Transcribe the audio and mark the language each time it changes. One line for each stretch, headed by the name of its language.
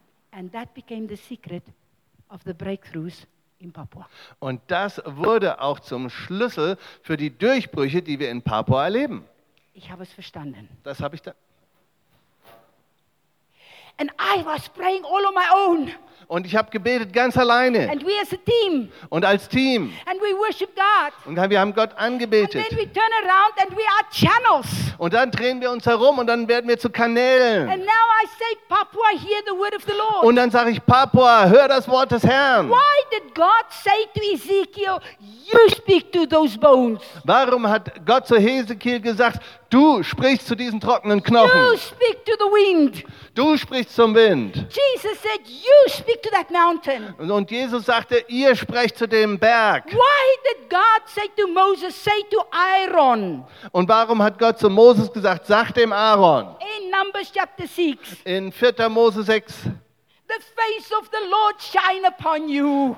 English: And that became the secret of the breakthroughs in Papua.
German: Und das wurde auch zum Schlüssel für die Durchbrüche, die wir in Papua erleben. Ich habe es verstanden. Das habe ich da.
English: And I was praying all on my own.
German: Und ich habe gebetet ganz alleine.
English: And we as a team.
German: Und als Team.
English: And we worship God.
German: Und wir haben Gott angebetet.
English: And then we turn around and we are channels.
German: Und dann drehen wir uns herum und dann werden wir zu Kanälen.
English: And now I say, Papua, hear the word of the Lord.
German: Und dann sage ich, Papua, hör das Wort des Herrn.
English: Why did God say to Ezekiel, you speak to those bones?
German: Warum hat Gott zu Hesekiel gesagt, du sprichst zu diesen trockenen Knochen?
English: You speak to the wind.
German: Du sprichst zum Wind.
English: Jesus said, you speak to that mountain.
German: Und Jesus sagte, ihr sprecht zu dem Berg.
English: Why did God say to Moses, say to Aaron?
German: Und warum hat Gott zu Moses gesagt, sag dem Aaron?
English: In Numbers chapter 6.
German: In 4. Mose 6.
English: The face of the Lord shine upon you.